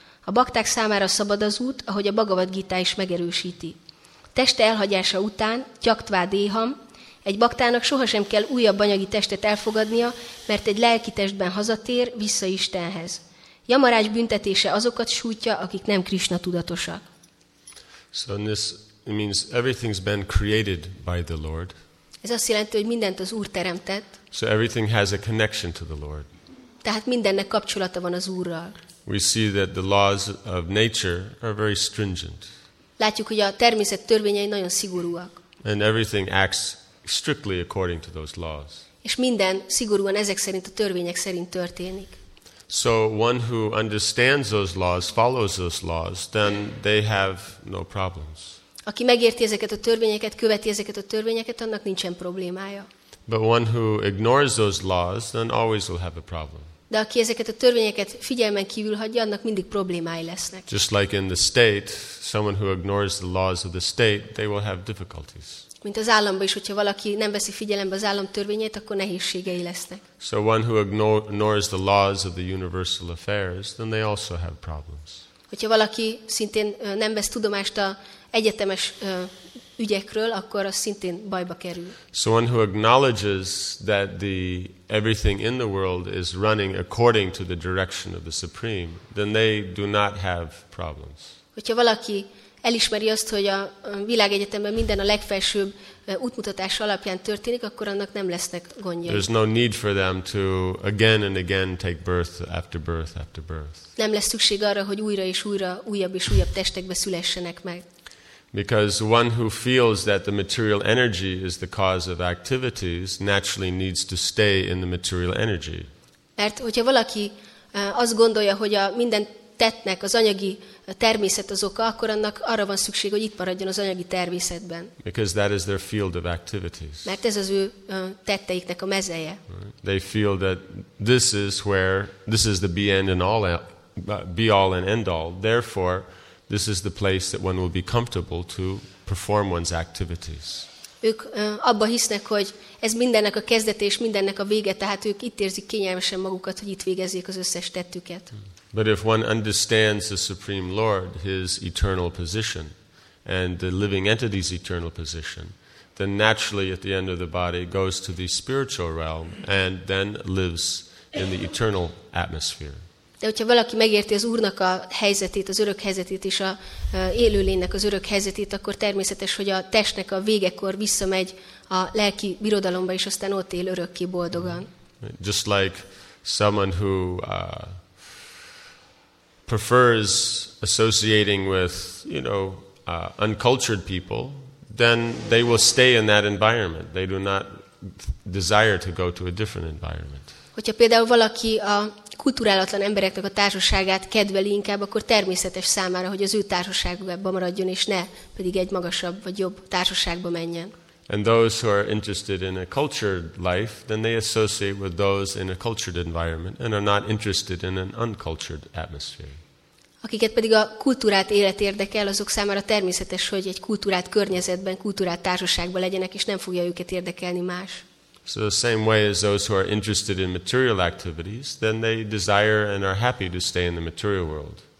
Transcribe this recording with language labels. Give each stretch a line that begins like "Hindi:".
Hungarian: A bakták számára szabad az út, ahogy a Bhagavad Gita is megerősíti. Teste elhagyása után, tyaktvá déham, egy baktának sohasem kell újabb anyagi testet elfogadnia, mert egy lelki testben hazatér vissza Istenhez. Yamarács büntetése azokat sújtja, akik nem Krisna tudatosak.
English: So this means everything's been created by the Lord.
Hungarian: Ez azt jelenti, hogy mindent az Úr teremtett.
English: So everything has a connection to the Lord.
Hungarian: Tehát mindennek kapcsolata van az Úrral.
English: We see that the laws of nature are very stringent.
Hungarian: Látjuk, hogy a természet törvényei nagyon szigorúak.
English: And everything acts strictly according to those laws.
Hungarian: És minden szigorúan ezek szerint, a törvények szerint történik.
English: So one who understands those laws, follows those laws, then they have no problems.
Hungarian: Aki megérti ezeket a törvényeket, követi ezeket a törvényeket, annak nincsen problémája.
English: But one who ignores those laws, then always will have a problem.
Hungarian: De aki ezeket a törvényeket figyelmen kívül hagyja, annak mindig problémái lesznek.
English: Just like in the state, someone who ignores the laws of the state, they will have difficulties.
Hungarian: Mint az államban is, hogyha valaki nem veszi figyelembe az állam törvényeit, akkor nehézségei lesznek.
English: So one who ignores the laws of the universal affairs, then they also have problems.
Hungarian: Hogyha valaki szintén nem vesz tudomást az egyetemes ügyekről, akkor az szintén bajba kerül.
English: So one who acknowledges that the everything in the world is running according to the direction of the Supreme, then they do not have problems.
Hungarian: Hogyha valaki elismeri azt, hogy a világegyetemben minden a legfelsőbb útmutatás alapján történik, akkor annak nem lesznek gondjai.
English: There's no need for them to again and again take birth after birth after birth.
Hungarian: Nem lesz szükség arra, hogy újra és újra újabb és újabb testekbe szülessenek meg.
English: Because one who feels that the material energy is the cause of activities naturally needs to stay in the material energy.
Hungarian: Mert hogyha valaki azt gondolja, hogy a minden tettnek az anyagi természet az oka, akkor annak arra van szükség, hogy itt maradjon az anyagi természetben.
English: Because that is their field of activities.
Hungarian: Mert ez az ő tetteiknek a mezeje.
English: They feel that this is where this is the be all and end all. Therefore, this is the place that one will be comfortable to perform one's activities.
Hungarian: Ők abba hisznek, hogy ez mindennek a kezdete és mindennek a vége, tehát ők itt érzik kényelmesen magukat, hogy itt végezzék az összes tettüket.
English: But if one understands the Supreme Lord, his eternal position, and the living entity's eternal position, then naturally at the end of the body goes to the spiritual realm, and then lives in the eternal atmosphere.
Hungarian: De hogyha valaki megérti az Úrnak a helyzetét, az örök helyzetét és a élőlénynek az örök helyzetét, akkor természetes, hogy a testnek a végekor visszamegy a lelki birodalomba, és aztán ott él örökké boldogan.
English: Just like someone who prefers associating with, you know, uncultured people, then they will stay in that environment. They do not desire to go to a different environment.
Hungarian: Hogyha például valaki a kulturálatlan embereknek a társaságát kedveli inkább, akkor természetes számára, hogy az ő társaságában maradjon, és ne pedig egy magasabb vagy jobb társaságba menjen.
English: And those who are interested in a cultured life, then they associate with those in a cultured environment and are not interested in an uncultured atmosphere.
Hungarian: Akiket pedig a kultúrát élet érdekel, azok számára természetes, hogy egy kultúrát környezetben, kultúrát társaságban legyenek, és nem fogja őket érdekelni más.
English: So the same way as those who are interested in material activities, then they desire and are happy to stay in the material world.